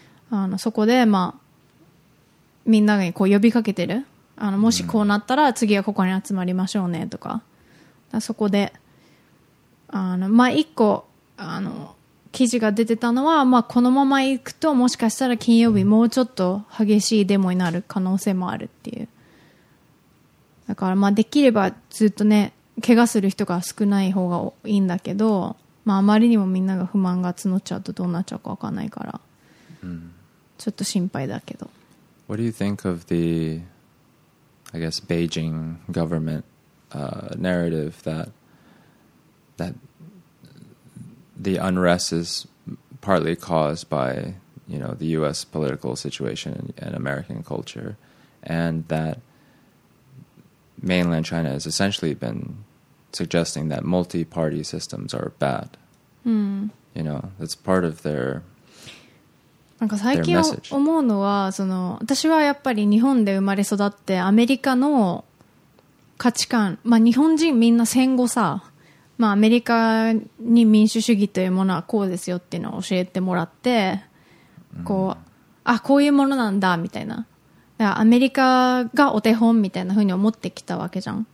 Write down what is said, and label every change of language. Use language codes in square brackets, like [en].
[ja] あのそこでまあみんながこう呼びかけてる、あのもしこうなったら次はここに集まりましょうねと か、そこで、あのまあ一個あの記事が出てたのは、まあこのまま行くともしかしたら金曜日もうちょっと激しいデモになる可能性もあるっていう。だからまあできればずっとね、怪我する人が少ない方がいいんだけど、まああまりにもみんなが不満が募っちゃうとどうなっちゃうか分かんないから、ちょっと心配だけど。 [en] What do you think of the, I guess, Beijing government narrative that the unrest is partly caused by, you know, the U.S. political situation and American culture, and that mainland China has essentially been suggesting that multi-party systems are bad. You know, that's part of their... [ja] なんか最近思うのは、その私はやっぱり日本で生まれ育ってアメリカの価値観、まあ、日本人みんな戦後さ、まあ、アメリカに民主主義というものはこうですよっていうのを教えてもらって、こう、あ、こういうものなんだみたいな、だからアメリカがお手本みたいな風に思ってきたわけじゃん。